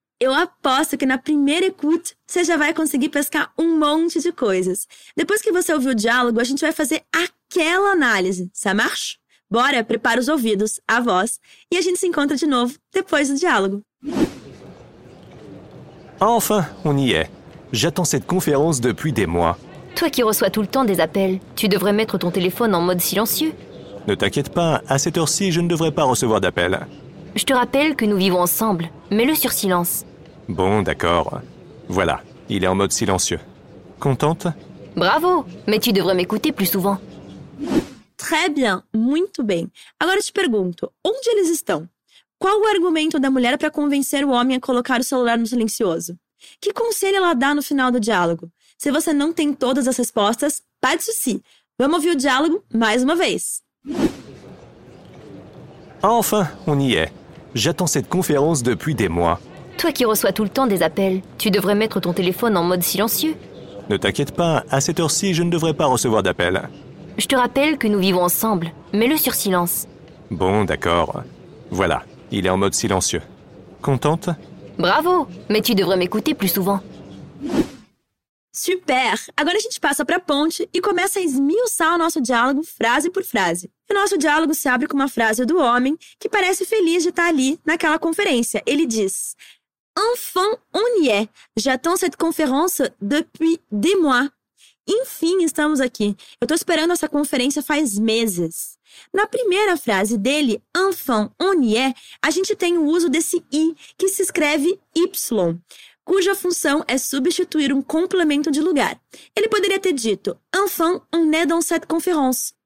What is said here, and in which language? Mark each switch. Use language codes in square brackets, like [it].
[pt] Eu aposto que na primeira écoute você já vai conseguir pescar um monte de coisas. Depois que você ouvir o diálogo, a gente vai fazer aquela análise. [fr] Ça marche? [pt] Bora, prepara os ouvidos, a voz, e a gente se encontra de novo depois do diálogo. [fr] Enfin, on y est. J'attends cette conférence depuis des mois. Toi qui reçois tout le temps des appels, tu devrais mettre ton téléphone en mode silencieux. Ne t'inquiète pas, à cette heure-ci, je ne devrais pas recevoir d'appel. Je te rappelle que nous vivons ensemble. Mets-le sur silence. Bon, d'accord. Voilà, il est en mode silencieux. Contente ? Bravo, mais tu devrais m'écouter plus souvent. Très bien, [pt] muito bem. Agora te pergunto, onde eles estão? Qual o argumento da mulher para convencer o homem a colocar o celular no silencioso? Que conselho ela dá no final do diálogo? Se você não tem todas as respostas, [fr] pas de souci. [pt] Vamos ouvir o diálogo mais uma vez. [fr] Enfin, on y est. J'attends cette conférence depuis des mois. Toi qui reçois tout le temps des appels, tu devrais mettre ton téléphone en mode silencieux. Ne t'inquiète pas, à cette heure-ci, je ne devrais pas recevoir d'appel. Je te rappelle que nous vivons ensemble. Mets-le sur silence. Bon, d'accord. Voilà, il est en mode silencieux. Contente ? Bravo, mas tu devrais m'écouter plus souvent. [pt] Super! Agora a gente passa para a ponte e começa a esmiuçar o nosso diálogo frase por frase. O nosso diálogo se abre com uma frase do homem que parece feliz de estar ali naquela conferência. Ele diz: [fr] Enfin, on y est. J'attends cette conférence depuis des mois. [pt] Enfim, estamos aqui. Eu estou esperando essa conferência faz meses. Na primeira frase dele, [fr] enfin, on y est, [pt] a gente tem o uso desse i, que se escreve y, cuja função é substituir um complemento de lugar. Ele poderia ter dito, [fr] enfin, on est dans cette conférence.